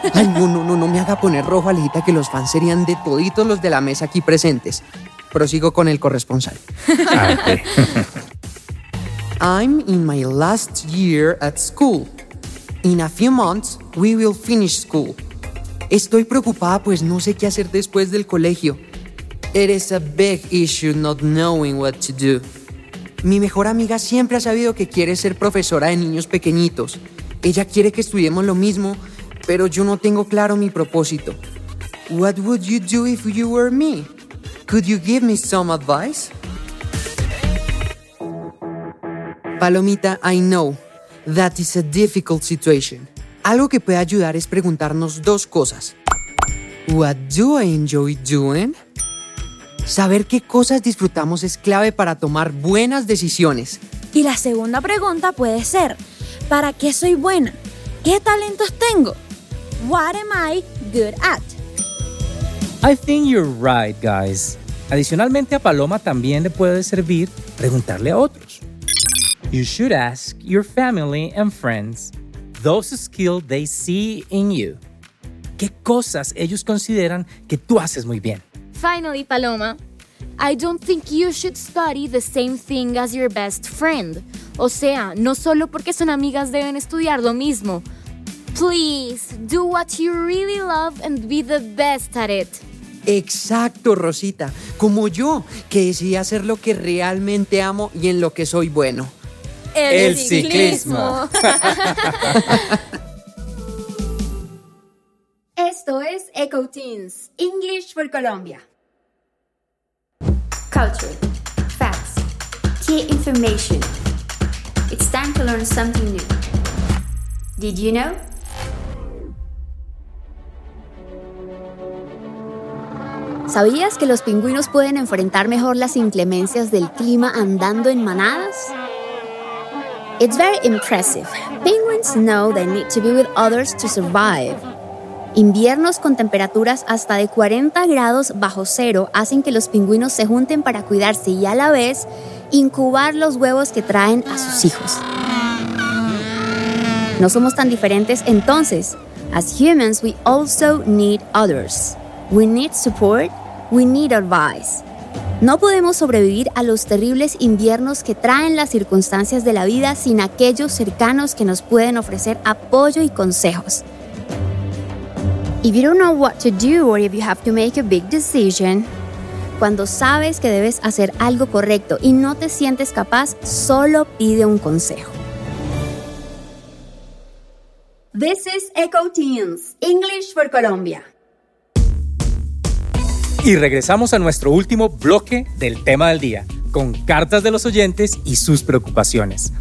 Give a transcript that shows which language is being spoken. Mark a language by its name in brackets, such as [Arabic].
[Spanish] Ay, no, no, no, no me haga poner rojo, Alejita, que los fans serían de toditos los de la mesa aquí presentes. Prosigo con el corresponsal. [English] Okay. I'm in my last year at school. In a few months, we will finish school. [Spanish] Estoy preocupada, pues no sé qué hacer después del colegio. [English] It is a big issue not knowing what to do. [Spanish] Mi mejor amiga siempre ha sabido que quiere ser profesora de niños pequeñitos. Ella quiere que estudiemos lo mismo, pero yo no tengo claro mi propósito. [English] What would you do if you were me? Could you give me some advice? Palomita, I know that is a difficult situation. [Spanish] Algo que puede ayudar es preguntarnos dos cosas. [English] What do I enjoy doing? [Spanish] Saber qué cosas disfrutamos es clave para tomar buenas decisiones. Y la segunda pregunta puede ser, ¿para qué soy buena? ¿Qué talentos tengo? [English] What am I good at? I think you're right, guys. [Spanish] Adicionalmente, a Paloma también le puede servir preguntarle a otros. [English] You should ask your family and friends those skills they see in you. [Spanish] ¿Qué cosas ellos consideran que tú haces muy bien? [English] Finally, Paloma, I don't think you should study the same thing as your best friend. [Spanish] O sea, no solo porque son amigas deben estudiar lo mismo. [English] Please, do what you really love and be the best at it. [Spanish] Exacto, Rosita. Como yo, que decidí hacer lo que realmente amo y en lo que soy bueno. El ciclismo. Esto es Echo Teens, English for Colombia. [English] Culture, facts, key information. It's time to learn something new. Did you know? [Spanish] ¿Sabías que los pingüinos pueden enfrentar mejor las inclemencias del clima andando en manadas? [English] It's very impressive. Penguins know they need to be with others to survive. [Spanish] Inviernos con temperaturas hasta de 40 grados bajo cero hacen que los pingüinos se junten para cuidarse y a la vez incubar los huevos que traen a sus hijos. No somos tan diferentes entonces. [English] As humans, we also need others. We need support. We need advice. [Spanish] No podemos sobrevivir a los terribles inviernos que traen las circunstancias de la vida sin aquellos cercanos que nos pueden ofrecer apoyo y consejos. [English] If you don't know what to do or if you have to make a big decision, [Spanish] cuando sabes que debes hacer algo correcto y no te sientes capaz, solo pide un consejo. [English] This is Echo Teens, English for Colombia. [Spanish] Y regresamos a nuestro último bloque del tema del día, con cartas de los oyentes y sus preocupaciones.